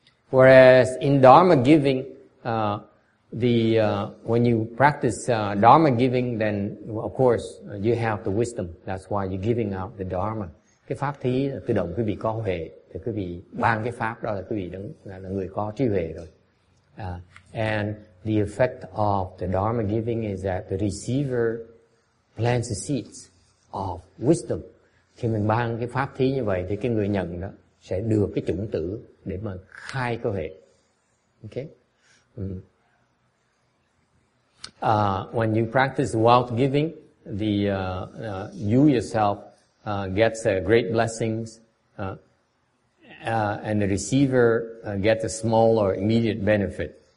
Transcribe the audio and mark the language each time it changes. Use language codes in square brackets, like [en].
[en] Whereas in dharma giving, when you practice dharma giving, then of course you have the wisdom. That's why you're giving out the dharma. [vi] Cái pháp thí là tự động quý vị có huệ, thì quý vị ban cái pháp đó là quý vị là người có trí huệ rồi. [en] And the effect of the dharma giving is that the receiver plants the seeds of wisdom. [vi] Khi mình ban cái pháp thí như vậy thì cái người nhận đó sẽ được cái chủng tử để mà khai cái huệ. [en] Okay. When you practice wealth giving, you yourself gets great blessings, and the receiver gets a small or immediate benefit.